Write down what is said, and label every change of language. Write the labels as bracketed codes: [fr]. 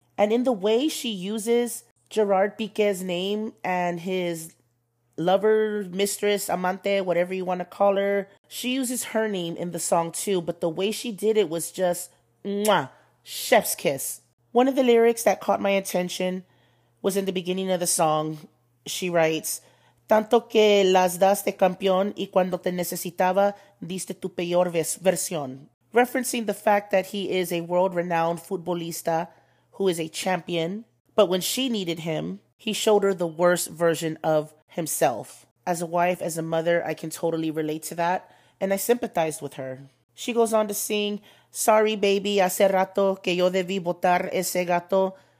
[en] And in the way she uses Gerard Piqué's name and his lover, mistress, amante, whatever you want to call her. She uses her name in the song too, but the way she did it was just mwah, chef's kiss. One of the lyrics that caught my attention was in the beginning of the song. She writes, [es] tanto que las daste campeón y cuando te necesitaba, diste tu peor versión. [en] Referencing the fact that he is a world-renowned futbolista who is a champion, but when she needed him, he showed her the worst version of himself. As a wife, as a mother, I can totally relate to that, and I sympathized with her. She goes on to sing, [es] sorry, baby, hace rato que yo debí botar ese gato.